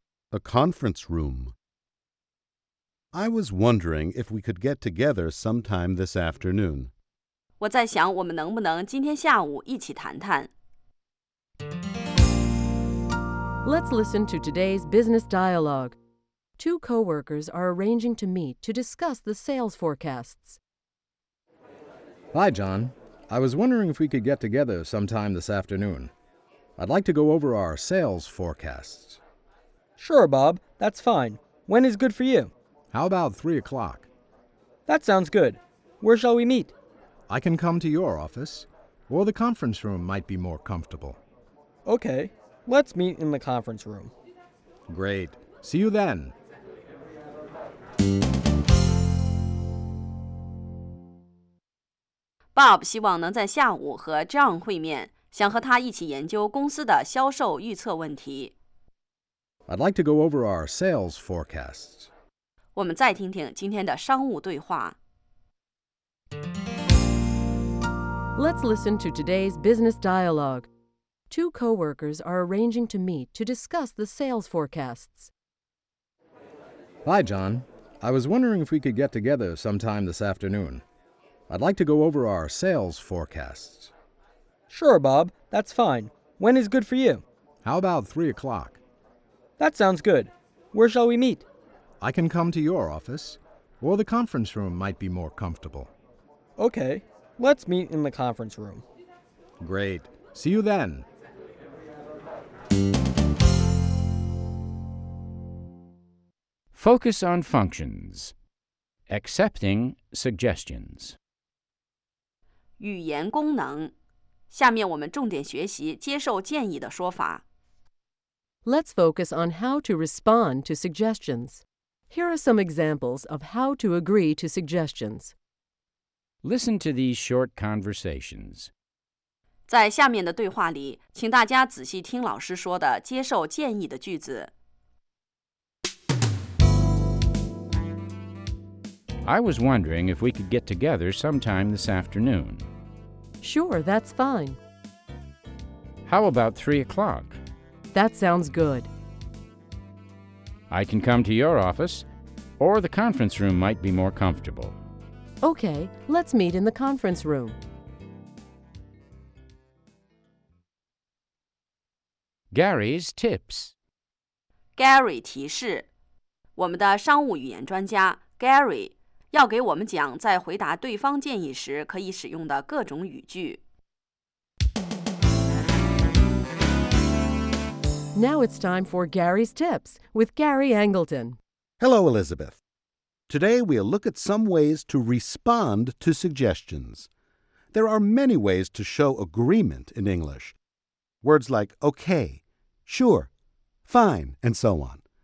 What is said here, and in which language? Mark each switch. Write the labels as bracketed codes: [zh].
[en] A conference room I was wondering if we could get together sometime this afternoon. [zh] 我在想我们能不能今天下午一起谈谈。 [en] Let's listen to today's business dialogue. Two co-workers are arranging to meet to discuss the sales forecasts. Hi, John. I was wondering if we could get together sometime this afternoon. I'd like to go over our sales forecasts. Sure, Bob. That's fine. When is good for you? How about 3 o'clock? That sounds good. Where shall we meet? I can come to your office, or the conference room might be more comfortable. Okay, let's meet in the conference room. Great. See you then. [zh] Bob 希望能在下午和 John 会面，想和他一起研究公司的销售预测问题。 [en] I'd like to go over our sales forecasts. [zh] 我们再听听今天的商务对话。 [en] Let's listen to today's business dialogue. Two co-workers are arranging to meet to discuss the sales forecasts. Hi, John. I was wondering if we could get together sometime this afternoon. I'd like to go over our sales forecasts. Sure, Bob. That's fine. When is good for you? How about 3 o'clock? That sounds good. Where shall we meet? I can come to your office, or the conference room might be more comfortable. Okay. Let's meet in the conference room. Great. See you then. Focus on functions. Accepting suggestions. [zh] 语言功能。下面我们重点学习接受建议的说法。 [en] Let's focus on how to respond to suggestions. Here are some examples of how to agree to suggestions. Listen to these short conversations. [zh] 在下面的对话里，请大家仔细听老师说的接受建议的句子。 [en] I was wondering if we could get together sometime this afternoon. Sure, that's fine. How about 3 o'clock? That sounds good. I can come to your office, or the conference room might be more comfortable. Okay, let's meet in the conference room. Gary's tips. [zh] Gary 提示，我们的商务语言专家 Gary 要给我们讲在回答对方建议时可以使用的各种语句。 [en] Now it's time for Gary's tips with Gary Angleton. Hello, Elizabeth. Today we'll look at some ways to respond to suggestions. There are many ways to show agreement in English. Words like okay, sure, fine, and so on.